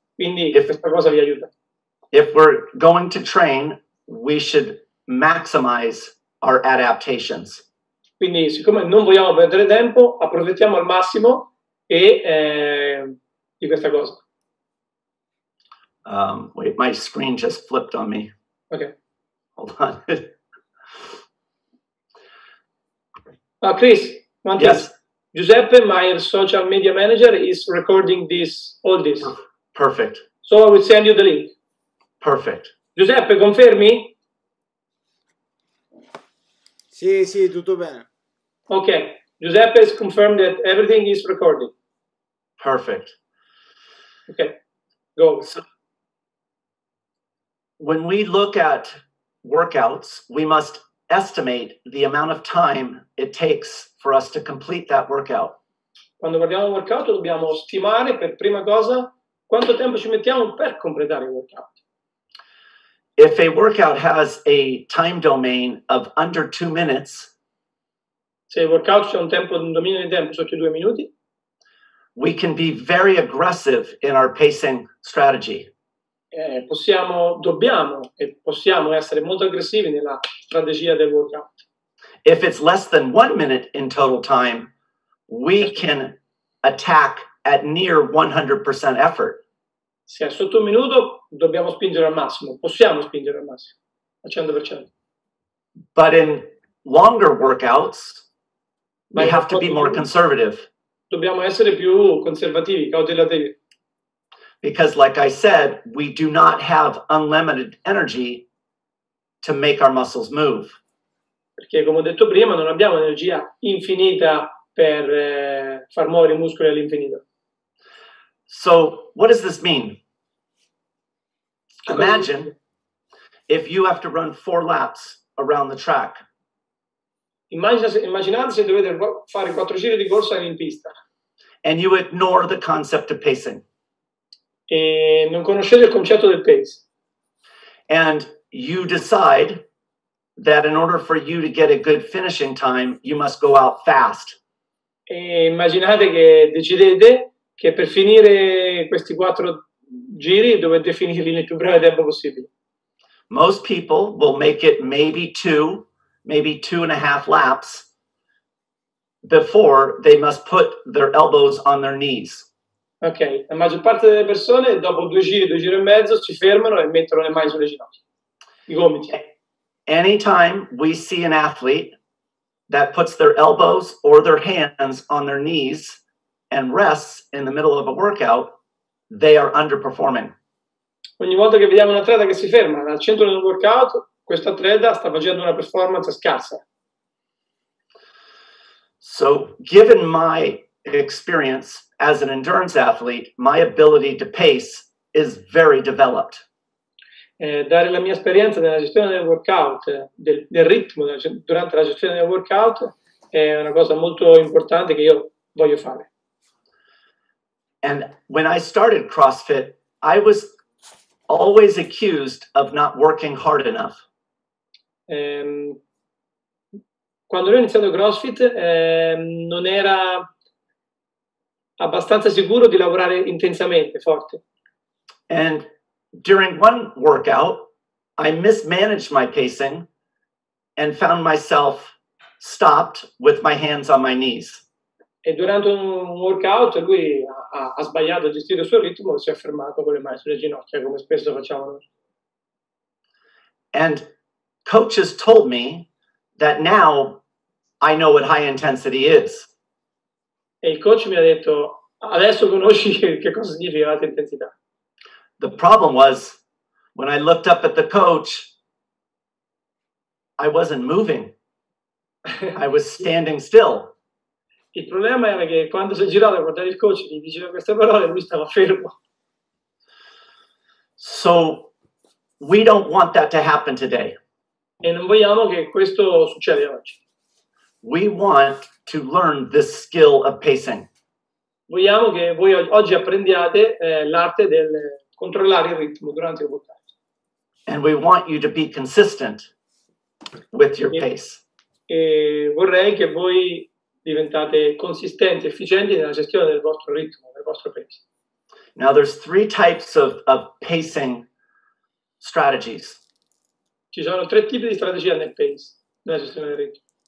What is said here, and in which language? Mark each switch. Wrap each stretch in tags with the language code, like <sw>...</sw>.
<it>Quindi questa cosa vi aiuta.</it> <en>If we're going to train, we should maximize our adaptations.</en> <it>Quindi, siccome non vogliamo perdere tempo, approfittiamo al massimo di questa cosa.</it> <en>Wait, my screen just flipped on me. Hold on. Ah, Chris, one thing. Yes. Giuseppe, my social media manager, is recording this all this. Perfect. So I will send you the link. Perfect.</en> <it>Giuseppe, confermi? Sì, tutto bene.</it> <en>Ok, Giuseppe has confirmed that everything is recording. Perfect. Ok, go. So when we look at workouts, we must estimate the amount of time it takes for us to complete that workout.</en> <it>quando parliamo di workout dobbiamo stimare per prima cosa quanto tempo ci mettiamo per completare il workout.</it> <en>If a workout has a time domain of under 2 minutes,</en> <it>se il workout c'è un tempo, un dominio di tempo sotto i 2 minuti,</it> <en>we can be very aggressive in our pacing strategy.</en> <it>Possiamo essere molto aggressivi nella strategia del workout.</it> <en>If it's less than 1 minute in total time, we can attack at near 100% effort.</en> <it>Se è sotto un minuto, dobbiamo spingere al massimo. Possiamo spingere al massimo, al 100%.</it> <en>But in longer workouts, we have to be more conservative.</en> <it>Dobbiamo essere più conservativi, cautelativi.</it> <en>Because like I said, we do not have unlimited energy to make our muscles move.</en> <it>Perché come ho detto prima, non abbiamo energia infinita per far muovere i muscoli all'infinito.</it> <en>So, what does this mean? Imagine if you have to run 4 laps around the track.</en> <it>Immaginate se dovete fare 4 giri di corsa in pista.</it> <en>And you ignore the concept of pacing.</en> <it>E non conoscete il concetto del pace.</it> <en>And you decide that in order for you to get a good finishing time, you must go out fast.</en> <it>E immaginate che decidete che per finire questi 4 giri dovete finirli nel più breve tempo possibile.</it> <en>Most people will make it maybe two and a half laps before they must put their elbows on their knees.</en> <it>Ok, la maggior parte delle persone dopo 2 giri, 2 giri e mezzo si fermano e mettono le mani sulle ginocchia, i gomiti.</it> <en>Anytime we see an athlete that puts their elbows or their hands on their knees and rests in the middle of a workout, they are underperforming.</en> <it>Ogni volta che vediamo un atleta che si ferma al centro di un workout, questo atleta sta facendo una performance scarsa.</it> <en>So, given my experience as an endurance athlete, my ability to pace is very developed.</en> <it>Dare la mia esperienza nella gestione del workout, del ritmo durante la gestione del workout, è una cosa molto importante che io voglio fare.</it> <en>And when I started CrossFit, I was always accused of not working hard enough.</en> <it>Quando ho iniziato CrossFit, non era abbastanza sicuro di lavorare intensamente, forte.</it> <en>And during one workout, I mismanaged my pacing and found myself stopped with my hands on my knees.</en> <it>E durante un workout lui ha sbagliato a gestire il suo ritmo e si è fermato con le mani sulle ginocchia, come spesso facciamo noi.</it> <en>And coaches told me that now I know what high intensity is.</en> <it>E il coach mi ha detto, adesso conosci che cosa significa alta intensità.</it> <en>The problem was, when I looked up at the coach, I wasn't moving. I was standing still.</en> <it>Il problema era che quando si è girato a guardare il coach, gli diceva queste parole, lui stava fermo.</it> <en>So, we don't want that to happen today.</en> <it>E non vogliamo che questo succeda oggi.</it> <en>We want to learn this skill of pacing.</en> <it>Vogliamo che voi oggi apprendiate l'arte del controllare il ritmo durante il workout.</it> <en>And we want you to be consistent with your pace.</en> <it>E vorrei che voi diventate consistenti, efficienti nella gestione del vostro ritmo, del vostro pace.</it> <en>Now there's 3 types of pacing strategies.</en> <it>Ci sono 3 tipi di strategia nel pace, nella gestione del ritmo.</it>